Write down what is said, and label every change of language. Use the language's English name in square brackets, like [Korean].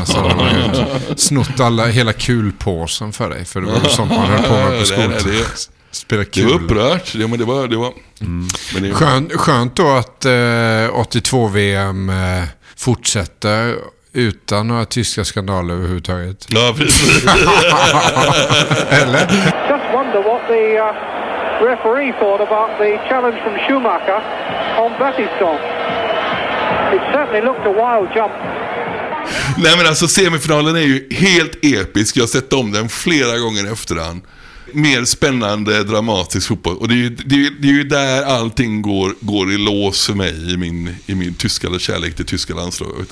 [Swedish] Alltså, de snott alla, hela kulpåsen för dig, för det var sommar på mig på skolan. Det var upprört. Ja, men det var. Men det var. Skönt då att 82 VM fortsätter utan några tyska skandaler överhuvudtaget. Ja, precis. Eller? [English] Just wonder what the referee thought about the challenge from Schumacher on Battiston. It certainly looked a wild jump. [Swedish] Nej, men alltså semifinalen är ju helt episk. Jag har sett om den flera gånger efterhand. Mer spännande, dramatisk fotboll. Och det är ju där allting går i lås för mig i min tyska kärlek till tyska landslaget.